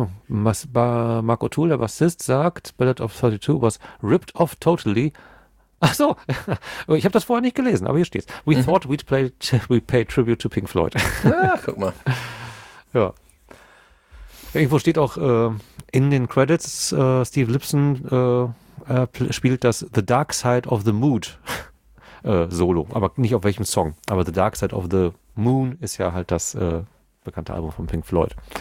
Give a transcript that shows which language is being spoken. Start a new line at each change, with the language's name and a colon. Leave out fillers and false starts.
German: Mark O'Toole, der Bassist, sagt,
English: Ballad of 32 was ripped off totally.
German: Ach so, ich habe das vorher nicht gelesen, aber hier steht's.
English: We thought we'd pay tribute to Pink Floyd.
German: Ah, guck mal. Ja. Irgendwo steht auch in den Credits, Steve Lipson spielt das The Dark Side of the Mood Solo, aber nicht auf welchem Song. Aber The Dark Side of the Moon ist ja halt das bekannte Album von Pink Floyd.